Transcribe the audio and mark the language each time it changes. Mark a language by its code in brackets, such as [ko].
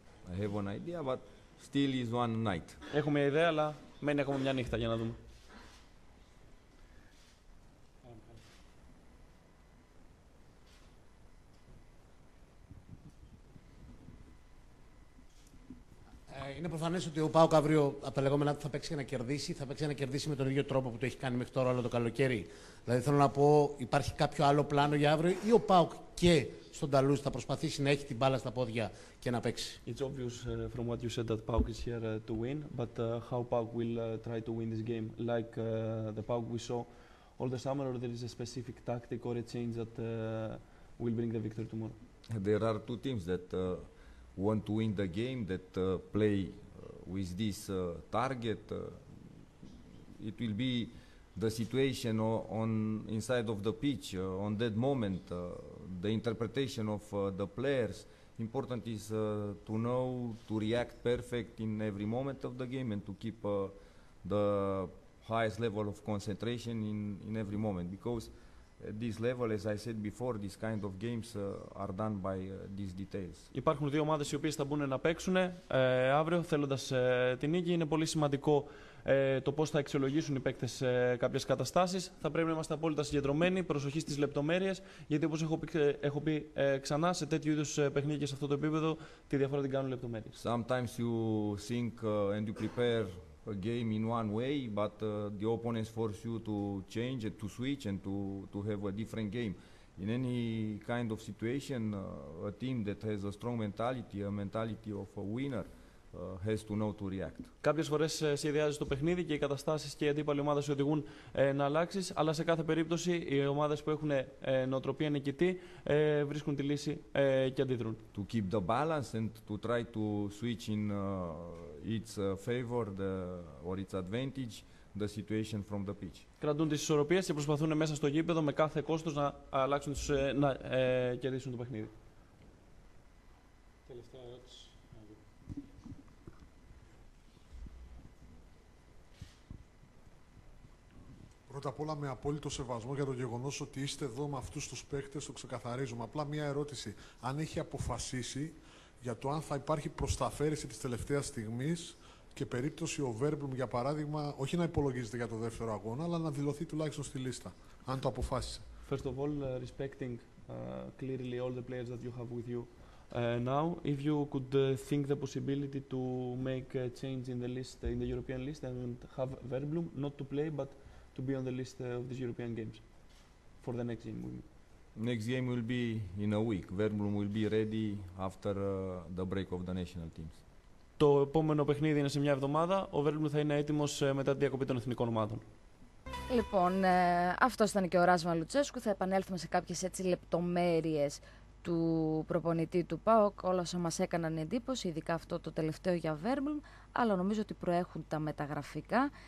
[en] I have an idea, but still is one night. [el] Έχω μια ιδέα, αλλά μένει ακόμα μια νύχτα για να δούμε. Είναι προφανές ότι ο ΠΑΟΚ αύριο από τα λεγόμενα θα παίξει για να κερδίσει. Θα παίξει για να κερδίσει με τον ίδιο τρόπο που το έχει κάνει μέχρι τώρα όλο το καλοκαίρι. Δηλαδή θέλω να πω, υπάρχει κάποιο άλλο πλάνο για αύριο ή ο ΠΑΟΚ και στον Ταλούς θα προσπαθήσει να έχει την μπάλα στα πόδια και να παίξει? [en] It's obvious from what you said that ΠΑΟΚ is here to win, but how ΠΑΟΚ will try to win this game? Like the ΠΑΟΚ we saw all the summer, or there is a specific tactic or a change that will bring the victory tomorrow? There are two teams that want to win the game, that play with this target. It will be the situation on inside of the pitch, on that moment, the interpretation of the players. Important is to know to react perfect in every moment of the game and to keep the highest level of concentration in every moment, because at this level, as I said before, these kind of games are done by these details. [el] Υπάρχουν δύο ομάδες οι οποίες θα μπουν να παίξουν αύριο θέλοντας την νίκη. Είναι πολύ σημαντικό το πώς θα αξιολογήσουν οι παίκτες κάποιες καταστάσεις. Θα πρέπει να είμαστε απόλυτα συγκεντρωμένοι, προσοχή στις λεπτομέρειες, γιατί όπως έχω πει ξανά, σε τέτοιου είδους παιχνίδια και σε αυτό το επίπεδο, τη διαφορά την κάνουν λεπτομέρειες. [en] Sometimes you think and you prepare a game in one way, but the opponents force you to change and to switch and to have a different game. In any kind of situation, a team that has a strong mentality, a mentality of a winner, has to know to react. [el] Κάποιες φορές σχεδιάζεις το παιχνίδι και οι καταστάσεις και οι αντίπαλοι ομάδες σε οδηγούν να αλλάξεις, αλλά σε κάθε περίπτωση οι ομάδες που έχουν νοοτροπία νικητή βρίσκουν τη λύση και αντιδρούν. [en] To keep the balance and to try to switch in its favor or its advantage the situation from the pitch. [el] Κρατούν τις ισορροπίες και προσπαθούν μέσα στο γήπεδο με κάθε κόστος να αλλάξουν να κερδίσουν το παιχνίδι. Τελευταία ερώτηση. Πρώτα απ' όλα, με απόλυτο σεβασμό για το γεγονός ότι είστε εδώ με αυτούς τους παίκτες, το ξεκαθαρίζουμε. Απλά μία ερώτηση. Αν έχει αποφασίσει για το αν θα υπάρχει προσταφαίρεση της τελευταίας στιγμής και περίπτωση ο Βέρμπλουμ, για παράδειγμα, όχι να υπολογίζεται για το δεύτερο αγώνα, αλλά να δηλωθεί τουλάχιστον στη λίστα, αν το αποφάσισε. [en] First of all, respecting clearly all the players that you have with you now, if you could think the possibility to make a change in the list, in the European list, and have Verblum not to play, but to be on the list of these European games for the next game. Next game will be in a week. Verblum will be ready after the break of the national teams. [el] Το επόμενο παιχνίδι είναι σε μια εβδομάδα. Ο Verblum θα είναι έτοιμος μετά τη διακοπή των εθνικών ομάδων. Λοιπόν, αυτό ήταν και ο Ράσμα Λουτσέσκου. Θα επανέλθουμε σε κάποιες έτσι λεπτομέρειες του προπονητή του ΠΑΟΚ. Όλα όσα μας έκαναν εντύπωση, ειδικά αυτό το τελευταίο για Verblum, αλλά νομίζω ότι προέχουν τα μεταγραφικά.